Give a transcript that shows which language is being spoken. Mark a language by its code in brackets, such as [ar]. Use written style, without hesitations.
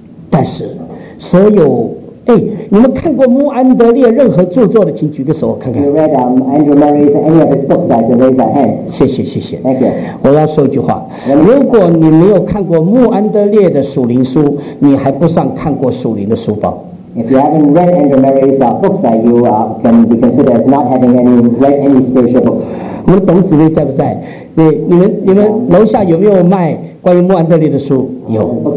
[zh] 但是所有哎，你们看过穆安德烈任何著作的，请举个手看看。 [en] You read Andrew Murray's any of his books? I can raise your hands. [zh] 谢谢谢谢。 [en] Thank you. [zh] 我要说一句话， [en] Let me... [zh] 如果你没有看过穆安德烈的属灵书，你还不算看过属灵的书包。 [en] If you haven't read Andrew Murray's books, you can be considered as not having any read any spiritual books. [zh] 我们董姊妹在不在？你们楼下有没有卖关于穆安德烈的书？有。